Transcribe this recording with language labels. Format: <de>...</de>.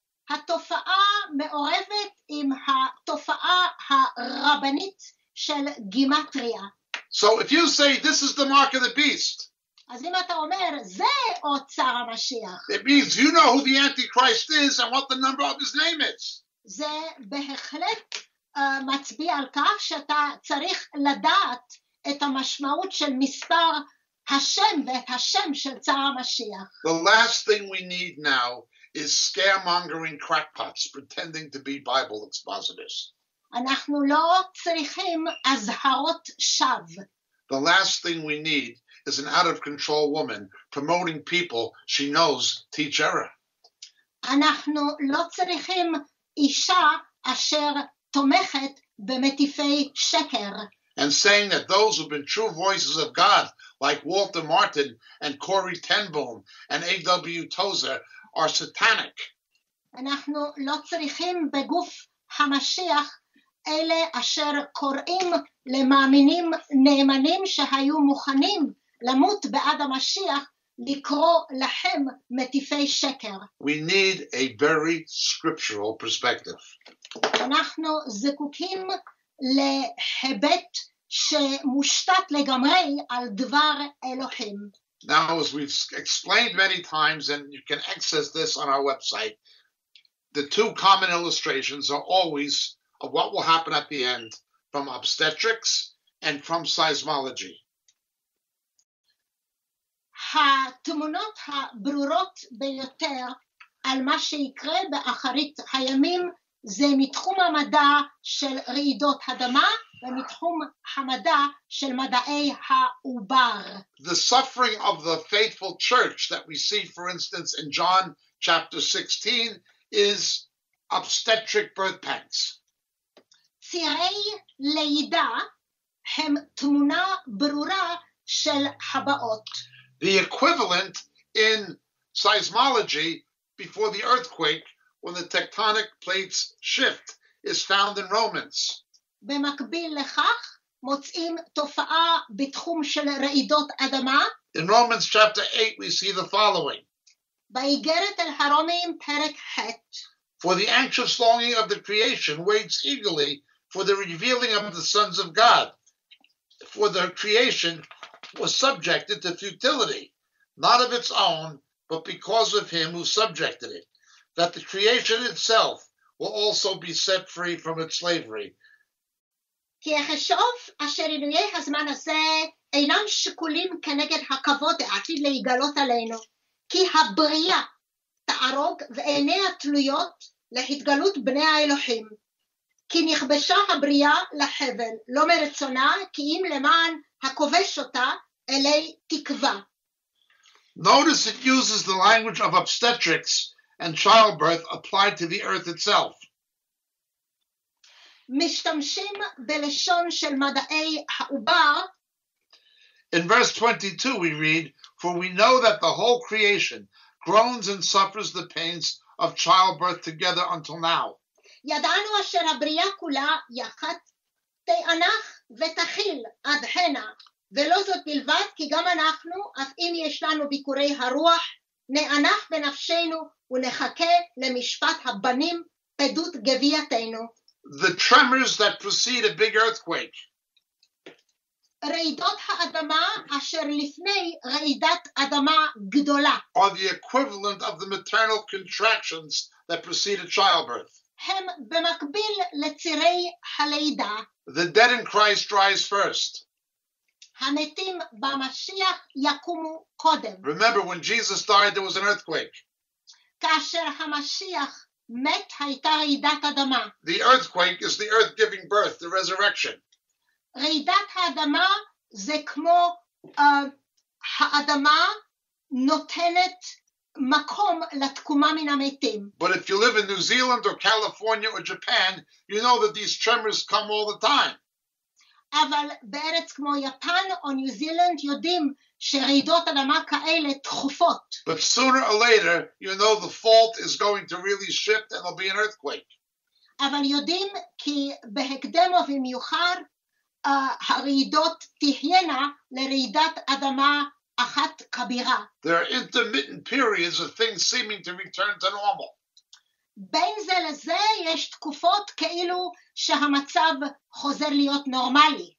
<he>התופעה מעורבת עם התופעה הרבנית של גימטריה.</he> <en>So if you say this is the mark of the beast,</en> <he>אז אם אתה אומר, זה עוד צר המשיח.</he> <en>It means you know who the Antichrist is and what the number of his name is.</en> <he>זה בהחלט מצביע על כך שאתה צריך לדעת את המשמעות של מספר השם ואת השם של צר המשיח.</he> <en>The last thing we need now is scaremongering crackpots pretending to be Bible expositors.</en> <he>אנחנו לא צריכים אזהרות שווא.</he> <en>The last thing we need is an out-of-control woman promoting people she knows teach error.</en> <he>אנחנו לא צריכים אישה אשר תומכת במטיפי שקר.</he> <en>And saying that those who've been true voices of God, like Walter Martin and Corey Ten Boom and A.W. Tozer, are satanic.</en> <he>אנחנו לא צריכים בגוף המשיח אלה אשר קוראים למאמינים נאמנים שהיו מוכנים למות בעד המשיח לקרוא להם מטיפי שקר.</he> <en>We need a very scriptural perspective.</en> <he>אנחנו זקוקים להיבט שמושתת לגמרי על דבר אלוהים.</he> <en>Now, as we've explained many times, and you can access this on our website, the two common illustrations are always of what will happen at the end from obstetrics and from seismology.</en> <he>התמונות הברורות ביותר על מה שיקרה באחרית הימים זה מתחום המדע של רעידות אדמה ומתחום המדע של מדעי העובר.</he> <en>The suffering of the faithful church that we see, for instance, in John chapter 16 is obstetric birth pangs.</en> <he>צירי לידה הם תמונה ברורה של הבאות.</he> <en>The equivalent in seismology before the earthquake, when the tectonic plates shift, is found in Romans.</en> <he>במקביל לכך, מוצאים תופעה בתחום של רעידות אדמה.</he> <en>In Romans chapter 8, we see the following.</en> <he>באיגרת אל הרומים פרק ח'.</he> <en>For the anxious longing of the creation waits eagerly for the revealing of the sons of God. For the creation was subjected to futility, not of its own, but because of him who subjected it, that the creation itself will also be set free from its slavery.</en> <he>כי החשוב אשר עינויי הזמן הזה אינם שיקולים כנגד הכבוד העתיד להיגלות עלינו, כי הבריאה תערוג ועיניה תלויות להתגלות בני האלוהים. כי נכבשה הבריאה לחבל, לא מרצונה, כי אם למען הכובש אותה, אלי תקווה.</he> <en>Notice it uses the language of obstetrics and childbirth applied to the earth itself.</en> <he>משתמשים בלשון של מדעי העובר.</he> <en>In verse 22 we read, for we know that the whole creation groans and suffers the pains of childbirth together until now.</en> <he>ידענו אשר הבריאה כולה יחד תאנח ותחיל עד הנה, ולא זאת בלבד, כי גם אנחנו, אף אם יש לנו ביקורי הרוח, נאנח בנפשנו ונחכה למשפט הבנים פדות גבייתנו.</he> <en>The tremors that precede a big earthquake.</en> <he>רעידות האדמה אשר לפני רעידת אדמה גדולה.</he> <en>Are the equivalent of the maternal contractions that precede a childbirth.</en> <he>הם במקביל לצירי הלידה.</he> <en>The dead in Christ rise first.</en> <he>המתים במשיח יקומו קודם.</he> <en>Remember, when Jesus died, there was an earthquake.</en> <he>כאשר המשיח מת, הייתה רעידת אדמה.</he> <en>The earthquake is the earth giving birth, the resurrection.</en> <he>רעידת האדמה זה כמו האדמה נותנת מקום לתקומה מן המתים.</he> <en>But if you live in New Zealand or California or Japan, you know that these tremors come all the time.</en> <he>אבל בארץ כמו יפן או ניו זילנד יודעים שרעידות אדמה כאלה תכופות.</he> <en>But sooner or later, you know the fault is going to really shift and there'll be an earthquake.</en> <he>אבל יודעים כי בהקדם או במיוחר, הרעידות תהיינה לרעידת אדמה אחת כבירה.</he> <en>There are intermittent periods of things seeming to return to normal.</en> <he>בין זה לזה יש תקופות כאילו שהמצב חוזר להיות נורמלי.</he>